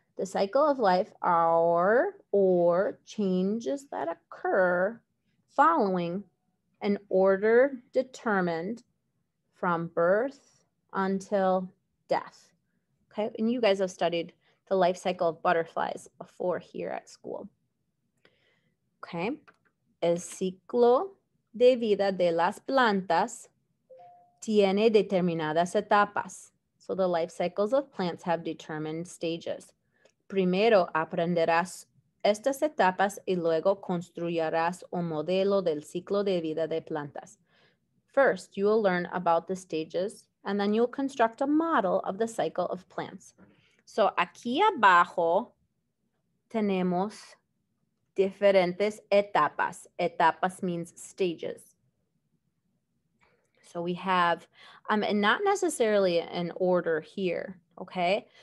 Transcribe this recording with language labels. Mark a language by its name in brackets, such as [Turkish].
[English] The cycle of life are or changes that occur following an order determined from birth until death. Okay, and you guys have studied the life cycle of butterflies before here at school. Okay. [Spanish] El ciclo de vida de las plantas tiene determinadas etapas. [English] So the life cycles of plants have determined stages. [Spanish] Primero aprenderás estas etapas y luego construirás un modelo del ciclo de vida de plantas. [English] First, you will learn about the stages and then you'll construct a model of the cycle of plants. [Spanish] So aquí abajo tenemos diferentes etapas. [English] Etapas means stages. So we have, and not necessarily an order here, okay?